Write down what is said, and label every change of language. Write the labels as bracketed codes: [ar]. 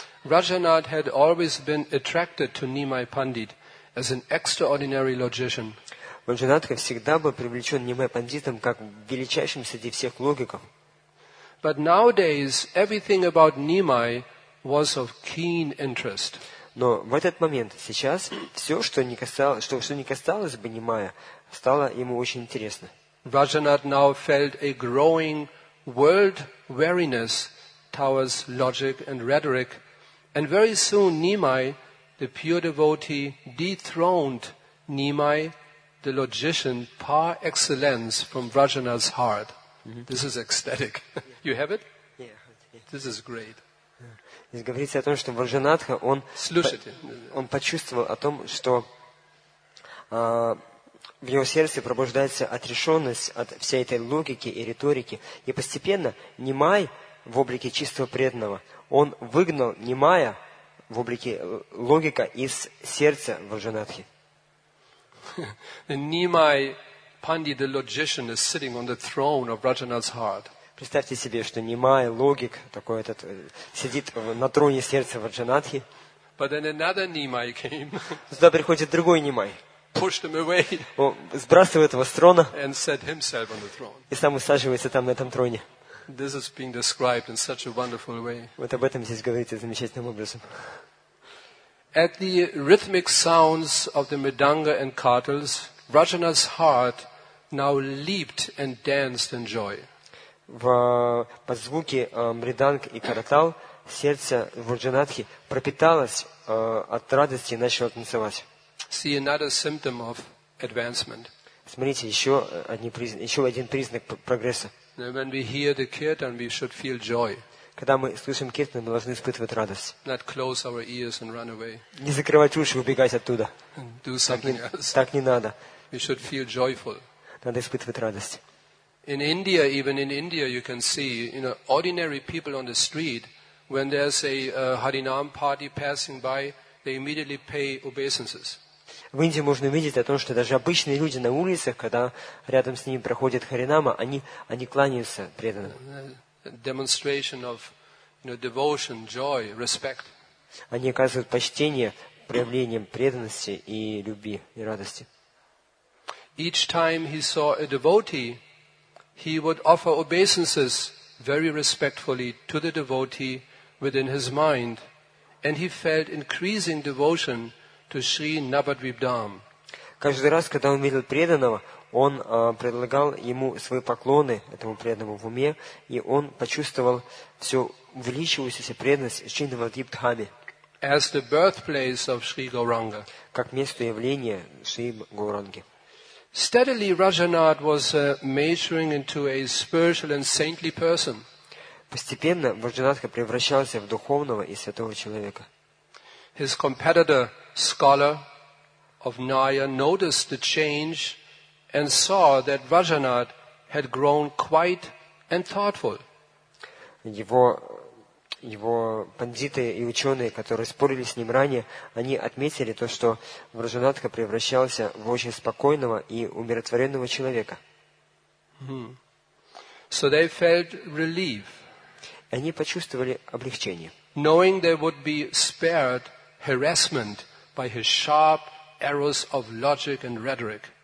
[en] Rajanath had always been attracted to Nimai Pandit as an extraordinary logician. [ru] Раджанатха всегда был привлечен Нимай Пандитом как величайшим среди всех логиков. [en] But nowadays everything about Nimai was of keen interest. [ru] Но в этот момент, сейчас, все, что не касалось, что не касалось бы Нимая, стало ему очень интересно. [en] Rajanath now felt a growing world weariness towards logic and rhetoric. And very soon Nimai, the pure devotee, dethroned Nimai, the logician, par excellence from Rajanath's heart. Mm-hmm. This is ecstatic. Yeah. You have it? Yeah. This is great. [ru] Здесь говорится о том, что Варджанатха, он почувствовал о том, что в его сердце пробуждается отрешенность от всей этой логики и риторики. И постепенно Нимай в облике чистого преданного, он выгнал Нимая в облике логика из сердца Варджанатхи. [en] Nimai Pandit, the logician, is sitting on the throne of Rajanath's heart. [ru] Представьте себе, что Нимай, логик, такой этот, сидит на троне сердца Варджанатхи. [en] But then another Nimai came. [ru] Сюда приходит другой Нимай. [en] Pushed him away. [ru] Он сбрасывает его с трона. [en] And set himself on the throne. [ru] И сам усаживается там на этом троне. [en] This is being described in such a wonderful way. [ru] Вот об этом здесь говорится замечательным образом. [en] At the rhythmic sounds of the Mridanga and Kartals, Rajanath's heart now leaped and danced in joy. [ru] Под звуки мриданг и каратал сердце Варджанатхи пропиталось от радости и начало танцевать. [en] See another symptom of advancement. [ru] Смотрите, еще один признак прогресса. [en] When we hear the kirtan, we should feel joy. [ru] Когда мы слышим киртан, мы должны испытывать радость. [en] Not close our ears and run away. [ru] Не закрывать уши и убегать оттуда. [en] Do something else. [ru] Так не надо. [en] We should feel joyful. [ru] Надо испытывать радость. [en] In India, even in India, you can see, you know, ordinary people on the street, when there's a Harinam party passing by, they immediately pay obeisances. [ru] В Индии можно увидеть о том, что даже обычные люди на улицах, когда рядом с ними проходит Харинама, они кланяются преданным. [en] Demonstration of, you know, devotion, joy, respect. [ru] Они оказывают почтение проявлением преданности и любви и радости. [en] Each time he saw a devotee, he would offer obeisances very respectfully to the devotee within his mind, and he felt increasing devotion to Sri Navadvip Dham. [ru] Каждый раз, когда он видел преданного, он предлагал ему свои поклоны этому преданному в уме, и он почувствовал всю увеличивающуюся преданность Шри Навадвип Дхаме. [en] As the birthplace of Sri Gauranga. [ru] Как место явления Шри Гауранги. [en] Steadily, Rajanath was maturing into a spiritual and saintly person. [ru] Постепенно Варджанатха превращался в духовного и святого человека. [en] His competitor, scholar of Naya, noticed the change and saw that Rajanath had grown quiet and thoughtful. [ru] его пандиты и ученые, которые спорили с ним ранее, они отметили то, что Враджанатха превращался в очень спокойного и умиротворенного человека. [en] So they felt relief. [ru] Они почувствовали облегчение. [en] Knowing they would be spared harassment by his sharp arrows of logic and rhetoric.